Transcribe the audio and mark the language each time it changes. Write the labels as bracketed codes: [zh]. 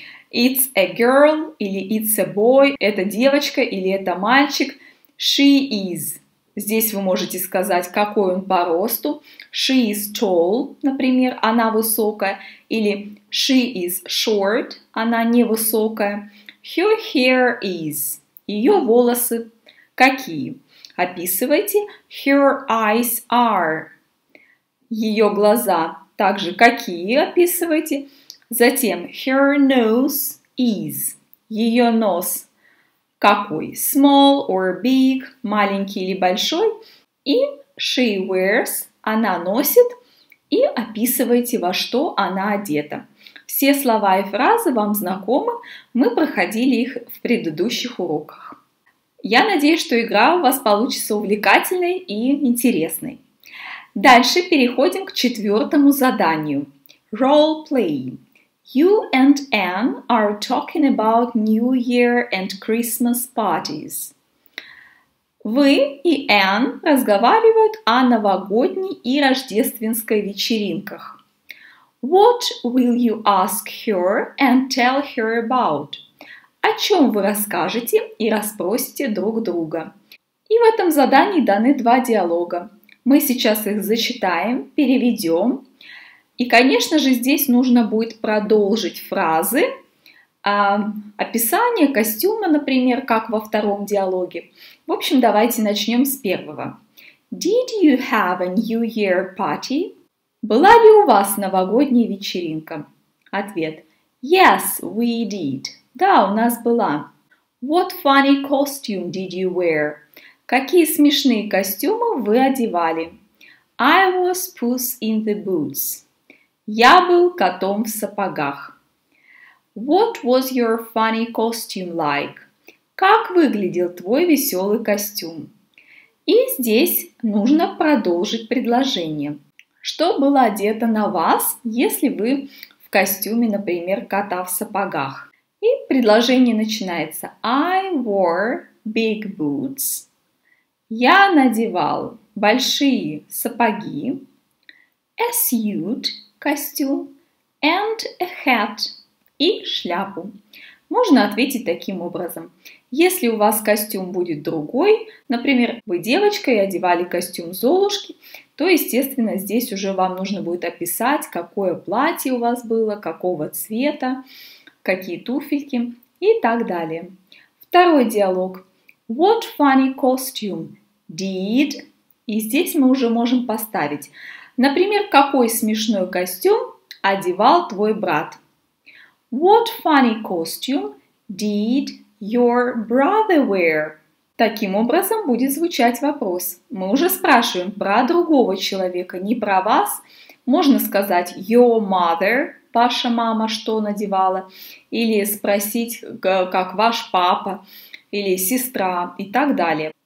[en] It's a girl [ru] или [en] it's a boy, [ru] это девочка или это мальчик. [en] She is. [ru] Здесь вы можете сказать, какой он по росту. [en] She is tall, [ru] например, она высокая. Или [en] she is short, [ru] она невысокая. [en] Her hair is. [ru] Ее волосы какие? Описывайте [en] her eyes are. [ru] Ее глаза также какие описывайте. Затем [en] her nose is. [ru] Ее нос какой? [en] Small or big, [ru] маленький или большой. И [en] she wears, [ru] она носит. И описывайте, во что она одета. Все слова и фразы вам знакомы. Мы проходили их в предыдущих уроках. Я надеюсь, что игра у вас получится увлекательной и интересной. Дальше переходим к четвертому заданию. [en] Role play. You and Anne are talking about New Year and Christmas parties. [ru] Вы и Anne разговаривают о новогодней и рождественской вечеринках. [en] What will you ask her and tell her about? [ru] О чем вы расскажете и расспросите друг друга? И в этом задании даны два диалога. Мы сейчас их зачитаем, переведем. И, конечно же, здесь нужно будет продолжить фразы, описание костюма, например, как во втором диалоге. В общем, давайте начнем с первого. [en] Did you have a New Year party? [ru] Была ли у вас новогодняя вечеринка? Ответ. [en] Yes, we did. [ru] Да, у нас была. [en] What funny costume did you wear? [ru] Какие смешные костюмы вы одевали? [en] I was puss in the boots. [ru] Я был котом в сапогах. [en] What was your funny costume like? [ru] Как выглядел твой веселый костюм? И здесь нужно продолжить предложение. Что было одето на вас, если вы в костюме, например, кота в сапогах? И предложение начинается. [en] I wore big boots. [ru] Я надевал большие сапоги, [en] a suit, [ru] костюм, [en] and a hat, [ru] и шляпу. Можно ответить таким образом. Если у вас костюм будет другой, например, вы девочка и одевали костюм Золушки, то, естественно, здесь уже вам нужно будет описать, какое платье у вас было, какого цвета, какие туфельки и так далее. Второй диалог. [en] What funny costume did... [ru] И здесь мы уже можем поставить. Например, какой смешной костюм одевал твой брат? [en] What funny costume did your brother wear? [ru] Таким образом будет звучать вопрос. Мы уже спрашиваем про другого человека, не про вас. Можно сказать [en] your mother, [ru] ваша мама что надевала, или спросить, как ваш папа или сестра и так далее.